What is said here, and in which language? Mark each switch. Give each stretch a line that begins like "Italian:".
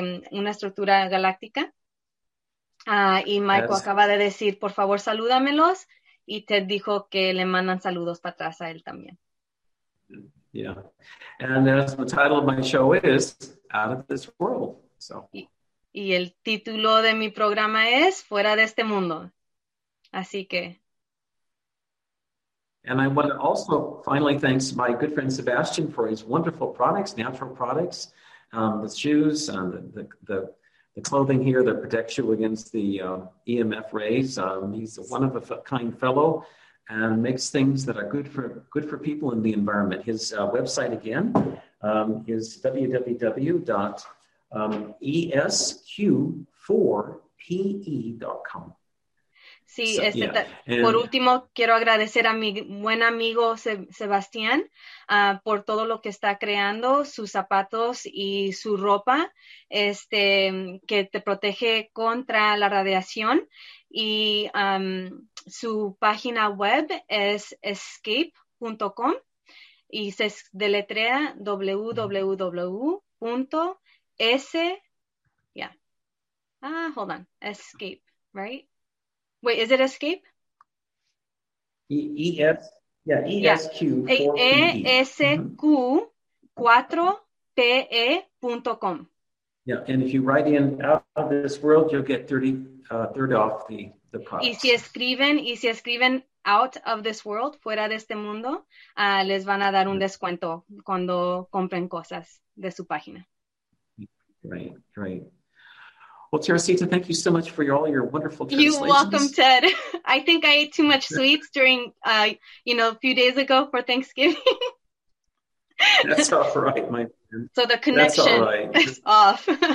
Spanish: Una estructura galáctica. Y Michael acaba de decir, por favor, salúdamelos. Y Ted dijo que le mandan saludos para atrás a él también.
English: Yeah. And as the title of my show is Out of This World. So.
Spanish: Y el título de mi programa es Fuera de Este Mundo. Así que.
English: And I want to also finally thank my good friend Sebastian for his wonderful products, natural products. The shoes and the clothing here that protects you against the EMF rays. He's one of a kind fellow and makes things that are good for people in the environment. His website again is www.esq4pe.com.
Spanish: Sí, so, por último, quiero agradecer a mi buen amigo Sebastián por todo lo que está creando, sus zapatos y su ropa, que te protege contra la radiación. Y su página web es escape.com y se deletrea www.escape.com. punto S.
English: Yeah. Ah, hold on. Escape, right? Wait, is it escape? E-S. Yeah, E-S-Q. ESQ4PE.com. Yeah, and if you write in out of this world, you'll get 30 off the product.
Spanish: Y si escriben
English: out of this world,
Spanish: fuera de este mundo, les van a dar un descuento cuando compren cosas de su página.
English: Great. Well, Teresita, thank you so much for all your wonderful translations. You're welcome, Ted. I think I ate too much sweets during, a few days ago for Thanksgiving. That's all right, my friend. So the connection is off.